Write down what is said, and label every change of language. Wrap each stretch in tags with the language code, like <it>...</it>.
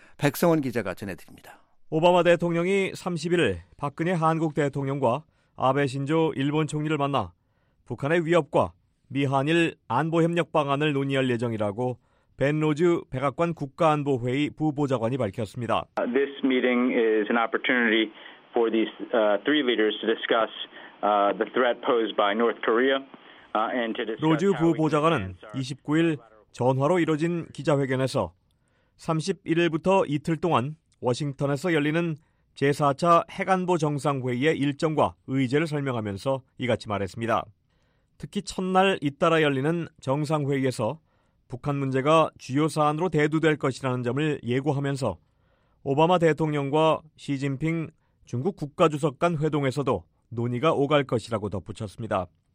<ko>백성원 기자가 전해드립니다. 오바마 대통령이 31일 박근혜 한국 대통령과 아베 신조 일본 총리를 만나 북한의 위협과 미한일 안보협력 방안을 논의할 예정이라고 벤 로즈 백악관 국가안보회의 부보좌관이 밝혔습니다.</ko> <en>This meeting is an opportunity for these three leaders to discuss the threat posed by North Korea and to discuss.</en> <ko>로즈 부보좌관은 29일 전화로 이뤄진 기자회견에서 31일부터 이틀 동안 워싱턴에서 열리는 제4차 핵안보 정상회의의 일정과 의제를 설명하면서 이같이 말했습니다. 특히 첫날 잇따라 열리는 정상회의에서 북한 문제가 주요 사안으로 대두될 것이라는 점을 예고하면서 오바마 대통령과 시진핑 중국 국가주석 간 회동에서도 논의가 오갈 것이라고 덧붙였습니다.</ko>